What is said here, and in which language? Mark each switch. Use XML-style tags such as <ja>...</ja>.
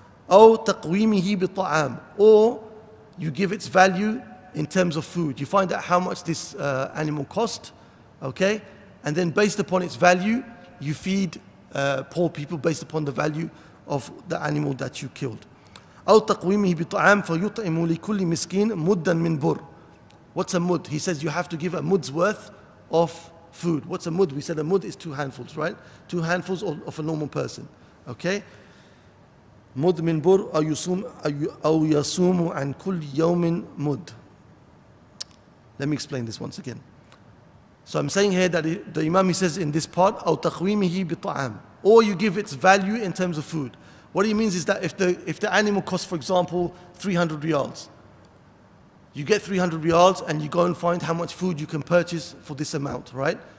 <ar>أو تقويمه بالطعام.</ar> <en>Or you give its value in terms of food. You find out how much this animal cost. Okay, and then based upon its value, you feed poor people based upon the value of the animal that you killed.</en> <ar>أو تقويمه بطعام فيطعم لكل مسكين مدا من بر.</ar> <en>What's a mud? He says you have to give a mud's worth of food. What's a mud? We said a mud is two handfuls, right? Two handfuls of a normal person. Okay.</en> <ar>مد من بر أو يصوم عن كل يوم مد.</ar> <en>Let me explain this once again. So I'm saying here that the imam, he says in this part,</en> <ar>أو تقويمه بطعام.</ar> <en>Or you give its value in terms of food. What he means is that if the animal costs, for example, 300 riyals, you get 300 riyals and you go and find how much food you can purchase for this amount, right?</en>